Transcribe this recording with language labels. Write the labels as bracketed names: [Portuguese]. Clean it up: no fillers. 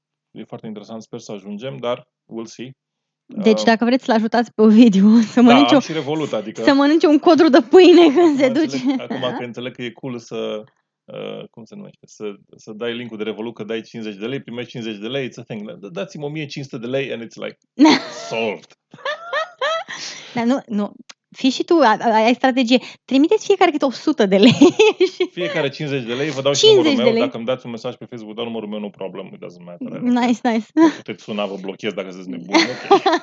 [Romanian] E foarte interesant, sper să ajungem, dar we'll see. Deci dacă vreți să-l ajutați pe Ovidiu să mănânce, și Revolut, adică să mănânce un codru de pâine când se duce. Acum că înțeleg că e cool să cum se numește, să dai linkul de Revolut că dai 50 de lei, primești 50 de lei, it's a thing. Dați-mi 1500 de lei and it's like, solved. Dar nu, fii și tu, ai strategie. Trimiteți fiecare câte 100 de lei. Fiecare 50 de lei, vă dau și numărul meu. Dacă îmi dați un mesaj pe Facebook, dau numărul meu, no problem, it doesn't matter. [English] Nice. [Romanian] Puteți suna, vă blochez dacă sunteți nebun. Okay.